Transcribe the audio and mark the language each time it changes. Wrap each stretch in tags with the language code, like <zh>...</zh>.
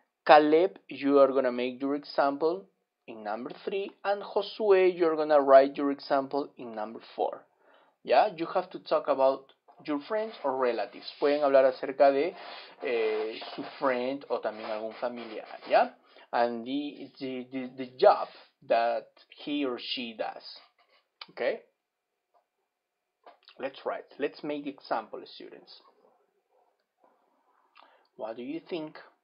<en>Caleb, you are going to make your example in number 3. And Josue, you are going to write your example in number 4. Yeah, you have to talk about your friends or relatives.</en> <es>Pueden hablar acerca de su friend o también algún familiar,</es> <en>yeah? And the job that he or she does. Okay? Let's write. Let's make example, students. What do you think?</en>